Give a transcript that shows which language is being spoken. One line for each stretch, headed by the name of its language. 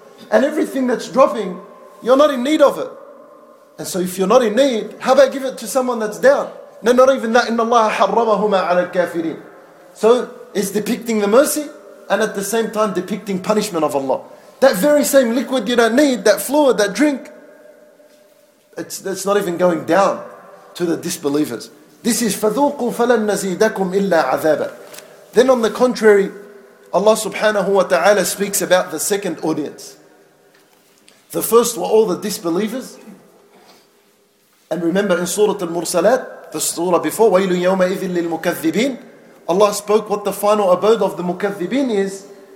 English: And everything that's dropping, you're not in need of it. And so if you're not in need, how about give it to someone that's down? No, not even that. Inna Allah harramahuma ala al-kafirin. So it's depicting the mercy and at the same time depicting punishment of Allah. That very same liquid you don't need, that fluid, that drink, it's not even going down to the disbelievers.
Arabic: This is فَذُوقُوا فَلَن نَزِيدَكُمْ إِلَّا عَذَابًا.
English: Then on the contrary, Allah subhanahu wa ta'ala speaks about the second audience. The first were all the disbelievers. And remember in Surah Al-Mursalat, the surah before, وَيْلٌ يَوْمَئِذٍ لِلْمُكَذِّبِينَ, Allah spoke what the final abode of the mukathibin is.